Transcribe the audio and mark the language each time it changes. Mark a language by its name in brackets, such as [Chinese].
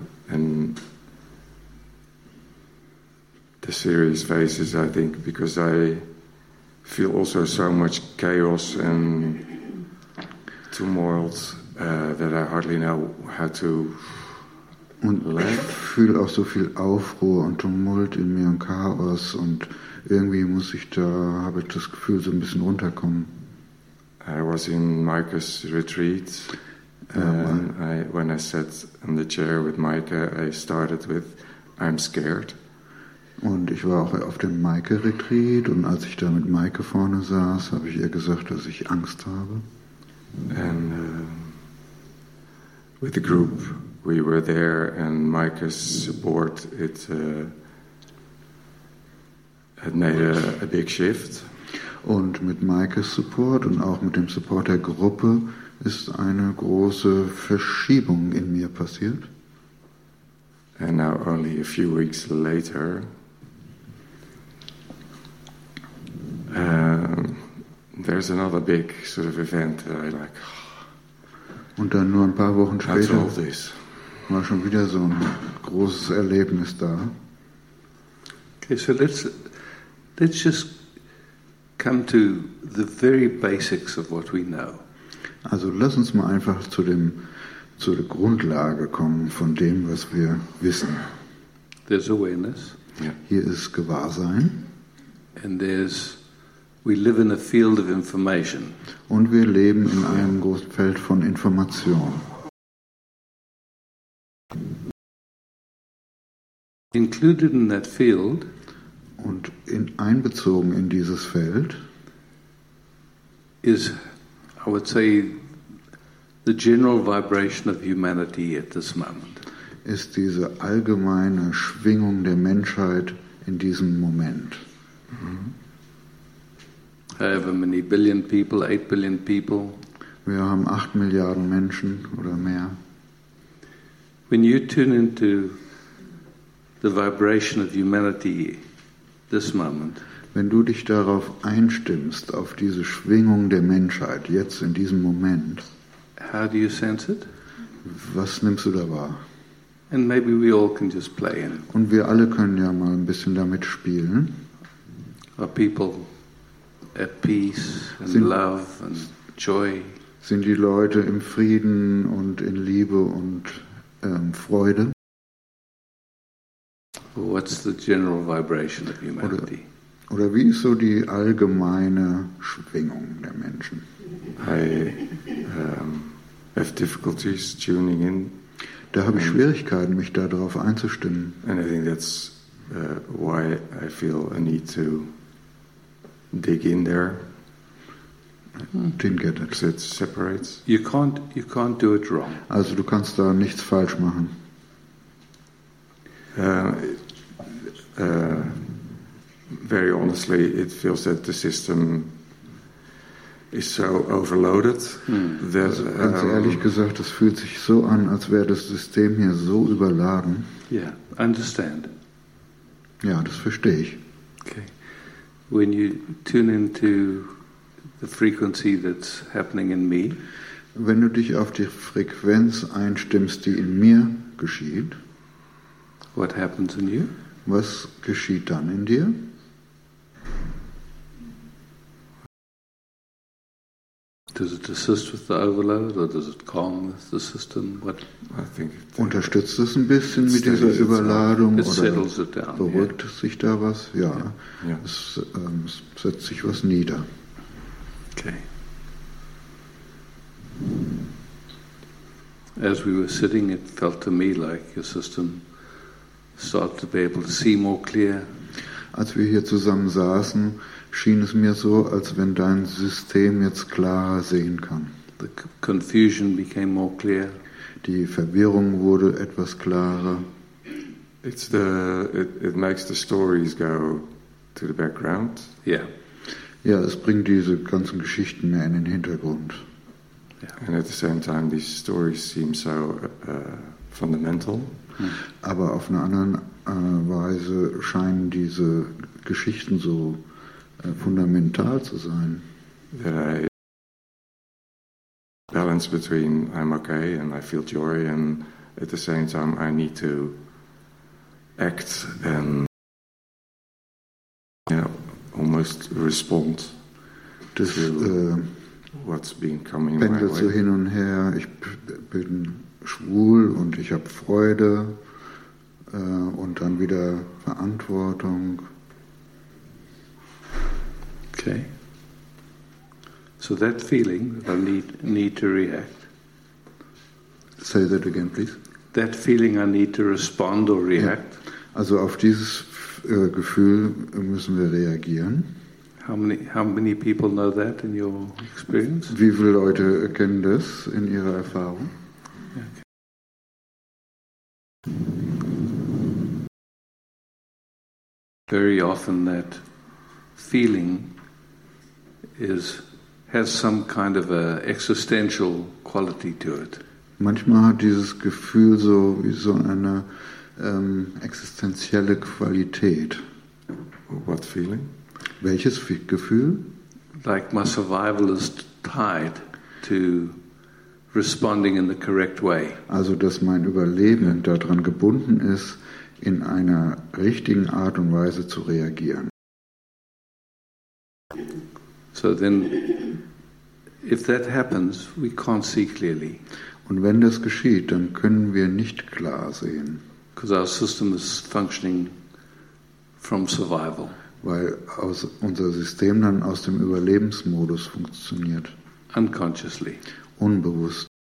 [English] And the serious faces, I think, because I feel also so much chaos and tumult. That I hardly know how to und let. [German] Ich fühle auch so viel Aufruhr und Tumult in mir und Chaos und irgendwie muss ich da, habe ich das Gefühl, so ein bisschen runterkommen. [English] I was in Micah's retreat and when I sat in the chair with Micah, I started with, I'm scared. [German] Und ich war auch auf dem Micah-Retreat und als ich da mit Micah vorne saß, habe ich ihr gesagt, dass ich Angst habe. [English] And with the group, we were there, and Micah's support, it made a big shift. [German] Und mit Micah's Support und auch mit dem Support der Gruppe ist eine große Verschiebung in mir passiert. [English] And now, only a few weeks later, there's another big sort of event that I like. [German] Und dann nur ein paar Wochen später war schon wieder so ein großes Erlebnis da. [English] Okay, so let's just come to the very basics of what we know. [German] Also lass uns mal einfach zur Grundlage kommen von dem, was wir wissen. [English] There's awareness. [German] Hier ist Gewahrsein. [English] And there's We live in a field of information. [German] Und wir leben in einem großen Feld von Information. [English] Included in that field, [German] und in einbezogen in dieses Feld, [English] is, I would say, the general vibration of humanity at this moment. [German] Ist diese allgemeine Schwingung der Menschheit in diesem Moment. [English] However many billion people, 8 billion people. [German] Wir haben 8 Milliarden Menschen oder mehr. [English] When you tune into the vibration of humanity this moment. [German] Wenn du dich darauf einstimmst, auf diese Schwingung der Menschheit jetzt in diesem Moment. [English] How do you sense it? [German] Was nimmst du da wahr? [English] And maybe we all can just play in. [German] Und wir alle können ja mal ein bisschen damit spielen. [English] Are people at peace and sind, love and joy? [German] Sind die Leute im Frieden und in Liebe und Freude? [English] What's the general vibration of humanity? [German] Oder wie ist so die allgemeine Schwingung der Menschen? [English] I have difficulties tuning in. [German] Da habe ich Schwierigkeiten, mich darauf einzustimmen. [English] And I think that's why I feel a need to dig in there. Didn't get it. It separates. You can't do it wrong. [German] Also du kannst da nichts falsch machen. [English] Very honestly, it feels that the system is so overloaded. [German] Ganz ehrlich gesagt, es fühlt sich so an, als wäre das System hier so überladen. [English] Yeah, understand. [German] Ja, das verstehe ich. [English] Okay. When you tune into the frequency that's happening in me. [German] Wenn du dich auf die Frequenz einstimmst, die in mir geschieht. [English] What happens in you? [German] Was geschieht dann in dir? [English] Does it assist with the overload or does it calm the system? What? I think [German] unterstützt es ein bisschen mit dieser Überladung oder beruhigt sich da was? Ja, es setzt sich was nieder. [English] Okay. As we were sitting, it felt to me like your system started to be able to see more clear. [German] Als wir hier zusammen saßen, schien es mir so, als wenn dein System jetzt klarer sehen kann. [English] The confusion became more clear. [German] Die Verwirrung wurde etwas klarer. [English] It makes the stories go to the background. Yeah. [German] Ja, es bringt diese ganzen Geschichten mehr in den Hintergrund. [English] Yeah. And at the same time, these stories seem so fundamental. [German] Aber auf eine andere Weise scheinen diese Geschichten so fundamental zu sein. [English] That I balance between I'm okay and I feel joy and at the same time I need to act and almost respond [German] das, [English] to what's been coming my way. [German] Pendelt so hin und her, ich bin schwul und ich habe Freude und dann wieder Verantwortung. [English] Okay. So that feeling that I need to react. Say that again, please. That feeling I need to respond or react. Yeah. [German] Also auf dieses Gefühl müssen wir reagieren. [English] How many people know that in your experience? [German] Wie viele Leute kennen das in ihrer Erfahrung? [English] Very often that feeling has some kind of a existential quality to it. [German] Manchmal hat dieses Gefühl so wie so eine existenzielle Qualität. [English] What feeling? [German] Welches Gefühl? [English] Like my survival is tied to responding in the correct way. [German] Also dass mein Überleben daran gebunden ist, in einer richtigen Art und Weise zu reagieren. [English] So then, if that happens, we can't see clearly. [German] Und wenn das geschieht, dann können wir nicht klar sehen. [English] Because our system is functioning from survival. [German] weil aus unser System dann aus dem Überlebensmodus funktioniert. [English] Unconsciously. [German] Unbewusst.